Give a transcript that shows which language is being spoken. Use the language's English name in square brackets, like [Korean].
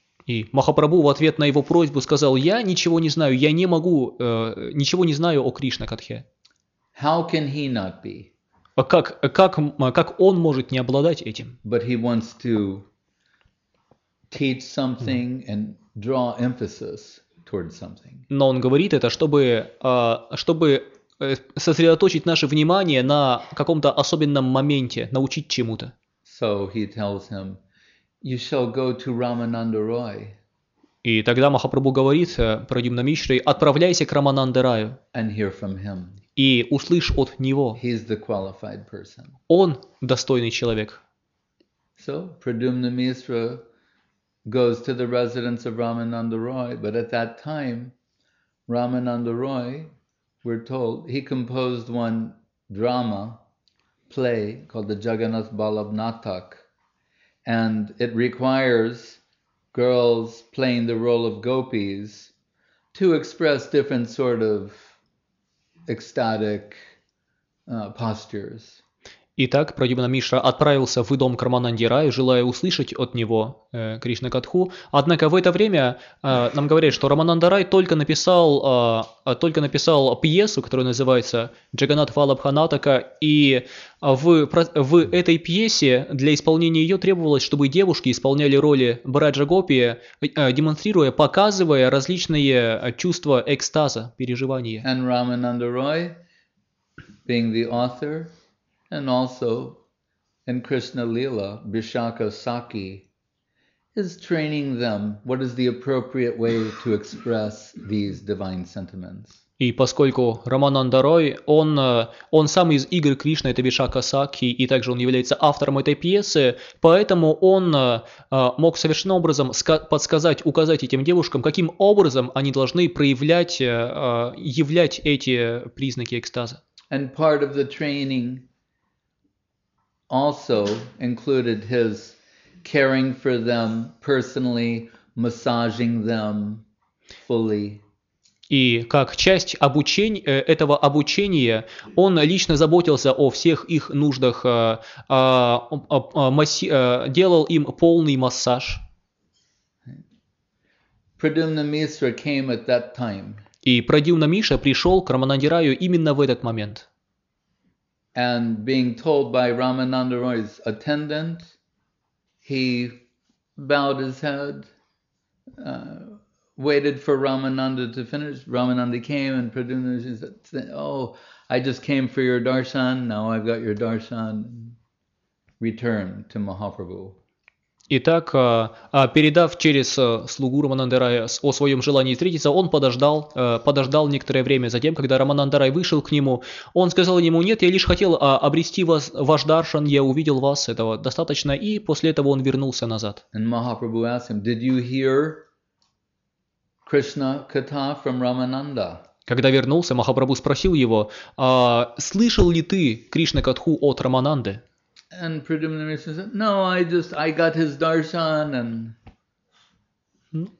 [Russian] И Махапрабху в ответ на его просьбу сказал: "Я ничего не знаю, я не могу, ничего не знаю о Кришна Катхе." [English] How can he not be? [Russian] Как он может не обладать этим? [English] But he wants to teach something and draw emphasis towards something. [Russian] Но он говорит это, чтобы сосредоточить наше внимание на каком-то особенном моменте, научить чему-то. [English] So he tells him, "You shall go to Ramananda Roy." [Russian] И тогда Махапрабху говорит Прадюмна Мишре: "Отправляйся к Рамананда Раю." [English] And hear from him. [Russian] И услышь от него. [English] He is the qualified person. [Russian] Он достойный человек. [English] So Pradyumna Misra goes to the residence of Ramananda Roy, but at that time Ramananda Roy, we're told, he composed one drama play called the Jagannath Ballabh Natak. And it requires girls playing the role of gopis to express different sort of ecstatic postures. [Russian] Итак, Прадьюмна Мишра отправился в дом Кармананди-Рай, желая услышать от него Кришна-катху. Однако в это время нам говорят, что Рамананда-Рай только написал пьесу, которая называется «Джаганат Валабханатака», и в этой пьесе для исполнения ее требовалось, чтобы девушки исполняли роли Браджа-гопи, демонстрируя, показывая различные чувства экстаза, переживания. [English] And Рамананда-Рай, being the author... And also in Krishna Lila, Bishaka Sakhi is training them what is the appropriate way to express these divine sentiments. [Russian] И поскольку Рамананда Рой, он сам из игр Кришны, это Вишака Сакхи, и также он является автором этой пьесы, поэтому он мог совершенно образом подсказать, указать этим девушкам, каким образом они должны проявлять, являть эти признаки экстаза. [English] And part of the training also included his caring for them personally, massaging them fully. [Russian] И как часть этого обучения, он лично заботился о всех их нуждах, делал им полный массаж. [English] Прадюмна Мишра came at that time. [Russian] И Прадюмна Миша пришел к Рамананди-Раю именно в этот момент. [English] And being told by Рамананда Рой's attendant, he bowed his head, waited for Рамананда to finish. Рамананда came and Прадюмна said, "Oh, I just came for your darshan. Now I've got your darshan. Return to Mahaprabhu." [Russian] Итак, передав через слугу Рамананда Рая о своем желании встретиться, он подождал некоторое время. Затем, когда Рамананда Рай вышел к нему, он сказал ему: «Нет, я лишь хотел обрести вас, ваш даршан, я увидел вас, этого достаточно», и после этого он вернулся назад. [English] And Mahaprabhu asked him, "Did you hear Krishna Katha from Ramananda?" [Russian] Когда вернулся, Махапрабху спросил его: «Слышал ли ты Кришна Катху от Рамананды?» [English] And Prudhumna Mishra said, "No, I got his darshan and..."